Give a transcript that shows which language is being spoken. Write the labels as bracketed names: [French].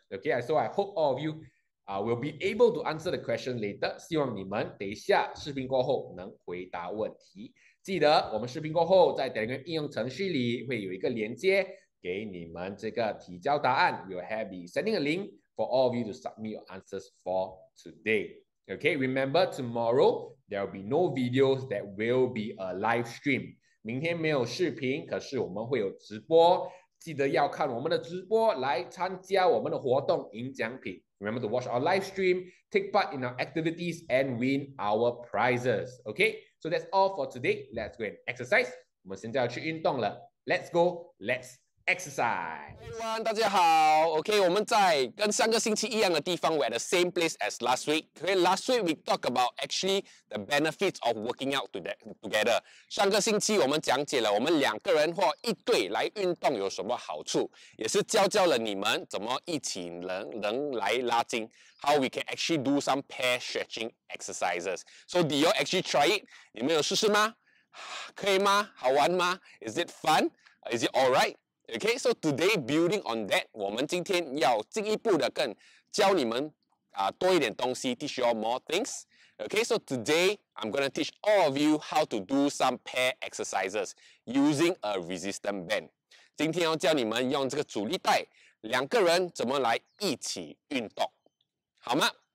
[English] Okay, so I hope all of you will be able to answer the question later. [Chinese] 希望你们等一下视频过后能回答问题。记得我们视频过后在 Telegram 应用程序里会有一个连接给你们这个提交答案。 [English] We'll have be sending a link for all of you to submit your answers for today. Okay, remember tomorrow there will be no videos that will be a live stream. [Chinese] 明天没有视频，可是我们会有直播，记得要看我们的直播来参加我们的活动赢奖品。 [English] Remember to watch our live stream, take part in our activities, and win our prizes. Okay, so that's all for today. Let's go and exercise. [Chinese] 我们现在要去运动了。 [English] Let's go, let's exercise. [Chinese] 哇，大家好。OK，我们在跟上个星期一样的地方， [English] we're the same place as last week. OK，last week we talk about actually the benefits of working out together. [Chinese] 上个星期我们讲解了我们两个人或一对来运动有什么好处，也是教教了你们怎么一起能来拉筋， [English] how we can actually do some pair stretching exercises. So do you actually try it？ [Chinese] 你们有试试吗？可以吗？好玩吗？ [English] Is it fun？Is it all right？ Okay, so today building on that， [Chinese] 我们今天要进一步的更教你们多一点东西， [English] teach you all more things. Okay, so today I'm gonna teach all of you how to do some pair exercises using a resistance band. [Chinese] 今天要教你们用这个阻力带，两个人怎么来一起运动，好吗？